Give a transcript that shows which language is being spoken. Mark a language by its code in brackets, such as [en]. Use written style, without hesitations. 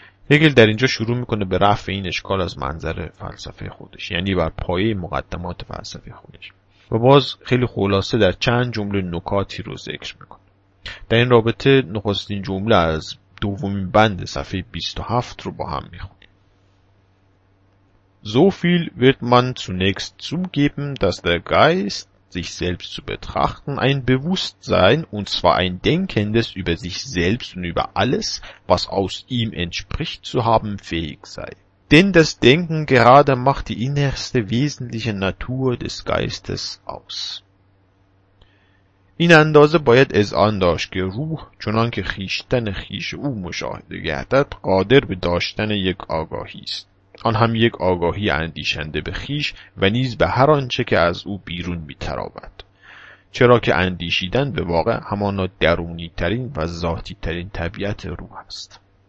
[fa] هگل در اینجا شروع میکنه به رفع این اشکال از منظر فلسفه خودش، یعنی بر پایه مقدمات فلسفه خودش، و باز خیلی خلاصه در چند جمله نکاتی رو ذکر میکنه. در این رابطه نخستین جمله از دومین بند صفحه 27 رو با هم میخونیم. [de] So viel wird man zunächst zugeben, dass der Geist, sich selbst zu betrachten, ein Bewusstsein, und zwar ein Denkendes über sich selbst und über alles, was aus ihm entspricht, zu haben fähig sei. Denn das Denken gerade macht die innerste wesentliche Natur des Geistes aus. [fa] این اندازه باید اذعان داشت که روح چنان که خیشتن خیش او مشاهده گردد قادر به داشتن یک آگاهی است، آن هم یک آگاهی اندیشنده به خیش و نیز به هر آنچه که از او بیرون می‌تراود، چرا که اندیشیدن به واقع همانا درونی ترین و ذاتی ترین طبیعت روح است.